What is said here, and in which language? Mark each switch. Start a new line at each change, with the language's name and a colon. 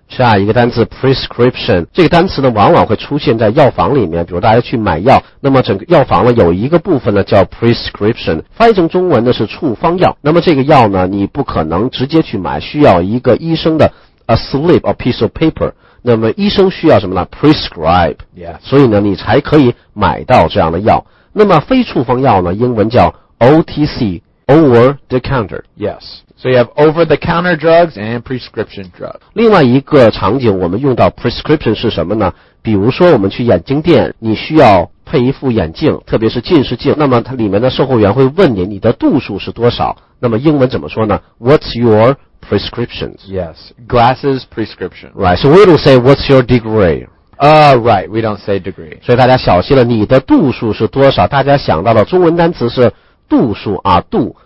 Chinese: 下一个单词 prescription, 这个单词呢往往会出现在药房里面比如大家去买药那么整个药房呢有一个部分呢叫 prescription, 翻译成中文呢是处方药那么这个药呢你不可能直接去买需要一个医生的
English: a slip, a piece of paper,
Chinese: 那么医生需要什么呢 prescribe,、
English: yeah.
Chinese: 所以呢你才可以买到这样的药那么非处方药呢英文叫 OTC,
English: Over the counter. Yes. So you have over the counter drugs and prescription drugs.
Chinese: 另外一个场景我们用到 prescription 是什么呢？比如说我们去眼镜店，你需要配一副眼镜，特别是近视镜。那么它里面的售货员会问你，你的度数是多少？那么英文怎么说呢 ？
English: What's your prescription? Yes. Glasses prescription. Right. So we don't say what's your degree. Right, we don't say degree.
Chinese: 所以大家小心了，你的度数是多少？大家想到的中文单词是度数啊，度。